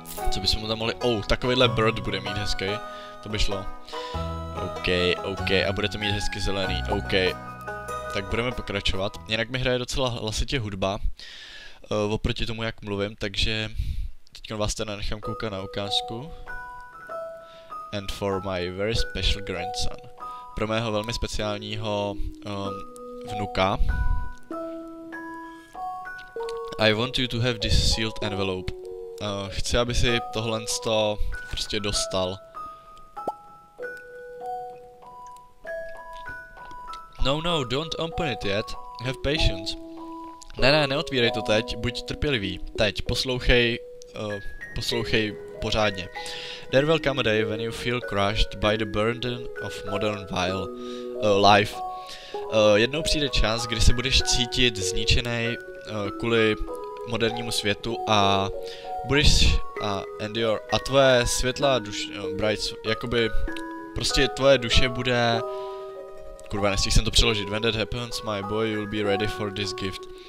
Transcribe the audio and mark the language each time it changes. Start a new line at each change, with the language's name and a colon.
Czech: Co bysme mu tam mohli, ou, takovýhle bird bude mít hezký. To by šlo. OK, OK, a bude to mít hezky zelený, OK. Tak budeme pokračovat, jinak mi hraje docela hlasitě hudba. Oproti tomu, jak mluvím, takže teď vás teda nechám koukat na ukázku.
English: And for my very special grandson.
Czech: Pro mého velmi speciálního vnuka.
English: I want you to have this sealed envelope.
Czech: Chci, aby si tohle to prostě dostal.
English: No, no, don't open it yet. Have patience.
Czech: Ne, ne, neotvírej to teď, buď trpělivý. Teď, poslouchej, poslouchej pořádně.
English: There will come a day when you feel crushed by the burden of modern vile, life.
Czech: Jednou přijde čas, kdy se budeš cítit zničený kvůli modernímu světu a budeš a tvoje světlá duše, bright, jakoby, prostě tvoje duše bude, kurva, nestihl jsem to přeložit,
English: when that happens, my boy, you'll be ready for this gift.